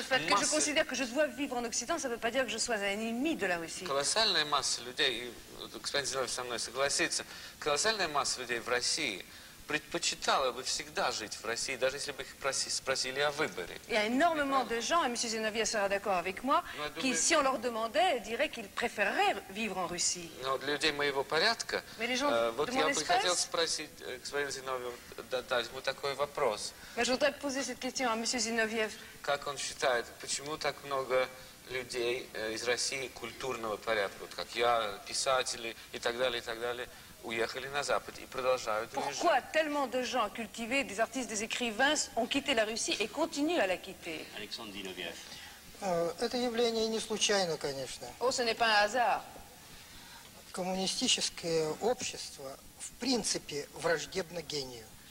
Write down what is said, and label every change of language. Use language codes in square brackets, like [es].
[fr] Le fait que je considère que je dois vivre en Occident, ça ne veut pas dire que je sois un ennemi de la Russie. [ru] Колоссальная масса людей, и господин Зиновьев со мной согласится, колоссальная масса людей в России предпочитала бы всегда жить в России, даже если бы их спросили о выборе. [fr] Il y a énormément de gens, et M. Zinoviev sera d'accord avec moi, qui, si on leur demandait, diraient qu'ils préféreraient vivre en Russie. [ru] Но для людей моего порядка, вот я бы хотел спросить господин Зиновьев, дать ему такой вопрос. [fr] Mais je voudrais poser cette question à M. Zinoviev. [ru] Как он считает, почему так много людей из России культурного порядка, вот как я, писатели и так далее, и так далее, уехали на Запад и продолжают уезжать. [fr] Pourquoi tellement de gens cultivés, des artistes, des écrivains ont quitté la Russie et continuent à la quitter? [ru] Александр Зиновьев. Это явление не случайно, конечно. [fr] Oh, ce n'est pas un hasard. [ru] Коммунистическое общество в принципе враждебно гению.